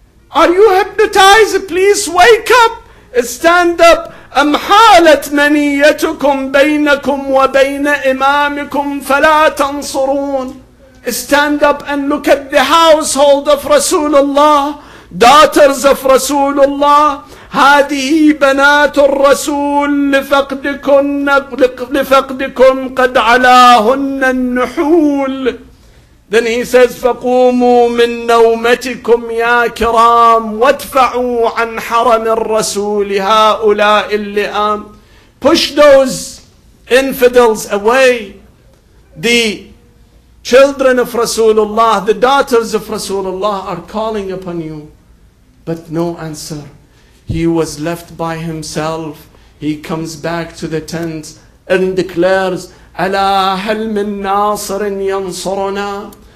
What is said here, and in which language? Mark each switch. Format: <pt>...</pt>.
<en>Are you hypnotized? Please wake up. Stand up.</en> <ar>أَمْ حَالَتْ مَنِيَّتُكُمْ بَيْنَكُمْ وَبَيْنَ إِمَامِكُمْ فَلَا تَنْصُرُونَ.</ar> <en>Stand up and look at the household of Rasulullah, daughters of Rasulullah.</en> <ar>هذه بنات الرسول لفقدكم قد علاهن النحول.</ar> <en>Then he says,</en> <ar>فقوموا من نومتكم يا كرام وادفعوا عن حرم الرسول هؤلاء اللئام.</ar> <en>Push those infidels away. The children of Rasulullah, the daughters of Rasulullah are calling upon you. But no answer. He was left by himself. He comes back to the tent and declares,</en> <ar>Ala hal min nasirin yansuruna?</ar>